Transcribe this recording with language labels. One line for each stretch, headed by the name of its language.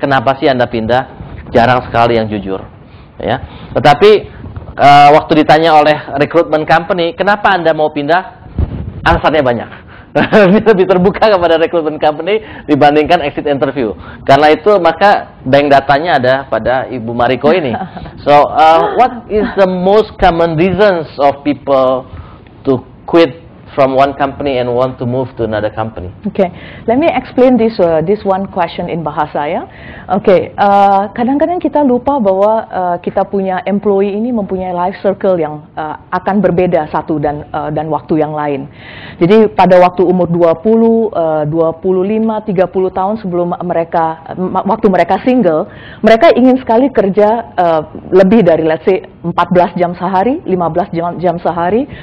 Indonesian: Kenapa sih Anda pindah? Jarang sekali yang jujur. Ya. Tetapi waktu ditanya oleh recruitment company, kenapa Anda mau pindah? Alasannya banyak. Lebih terbuka kepada recruitment company dibandingkan exit interview. Karena itu maka bank datanya ada pada Ibu Mariko ini.
English: So, what is the most common reasons of people to quit from one company and want to move to another company? Okay, let me explain this this one question in bahasa ya.
Indonesian: Okay, kadang-kadang kita lupa bahwa kita punya employee ini mempunyai life circle yang akan berbeda satu dan waktu yang lain. Jadi pada waktu umur 20, 25, 30 tahun sebelum mereka, waktu mereka single, mereka ingin sekali kerja lebih dari
English: let's say
Indonesian: 14 jam sehari, 15 jam sehari.